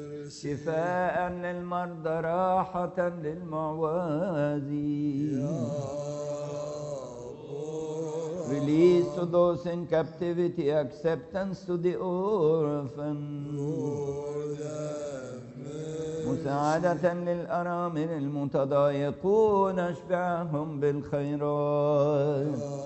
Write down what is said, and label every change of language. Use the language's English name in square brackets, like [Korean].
[Arabic] شفاء للمرضى راحة للمعوزين. يا رب ارحم. [English] Release to those in captivity, acceptance to the orphan. Lord have mercy. [Arabic] مساعدة للأرامل المتضايقون أشبعهم بالخيرات.